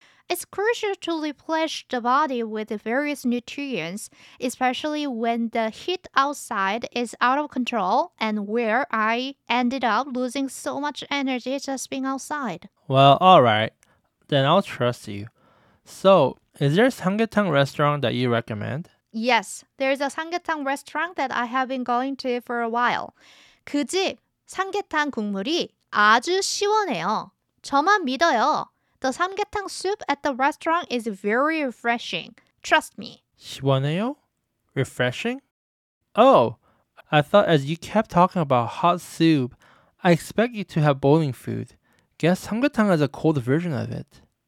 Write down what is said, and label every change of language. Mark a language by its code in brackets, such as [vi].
[en] It's crucial to replenish the body with various nutrients, especially when the heat outside is out of control and where I ended up losing so much energy just being outside. Well, alright. Then I'll trust you. So, is there a samgyetang restaurant that you recommend? Yes, there's a samgyetang restaurant that I have been going to for a while. [ko] 그 집 삼계탕 국물이 아주 시원해요. 저만 믿어요. [en] The samgyetang soup at the restaurant is very refreshing. Trust me. [ko] 시원해요? [en] Refreshing? Oh, I thought as you kept talking about hot soup, I expect you to have boiling food. Guess samgyetang has a cold version of it.